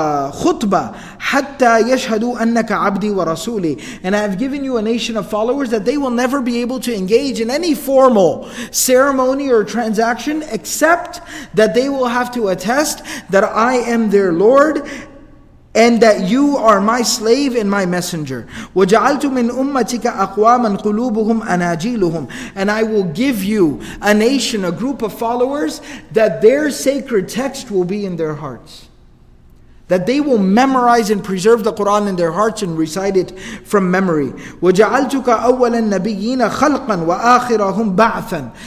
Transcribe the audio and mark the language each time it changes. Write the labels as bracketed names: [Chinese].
[Arabic] خطبه حتى يشهدوا انك عبدي ورسولي. [English] And I have given you a nation of followers that they will never be able to engage in any formal ceremony or transaction except that they will have to attest that I am their Lord and that you are my slave and my messenger. [Arabic] وَجَعَلْتُ مِنْ أُمَّتِكَ أَقْوَامًا قُلُوبُهُمْ أَنَاجِيلُهُمْ. [English] And I will give you a nation, a group of followers, that their sacred text will be in their hearts. That they will memorize and preserve the Quran in their hearts and recite it from memory. [Arabic] وَجَعَلْتُكَ أَوَّلَ النَّبِيِّينَ خَلْقًا وَآخِرَهُمْ بَعْثًا.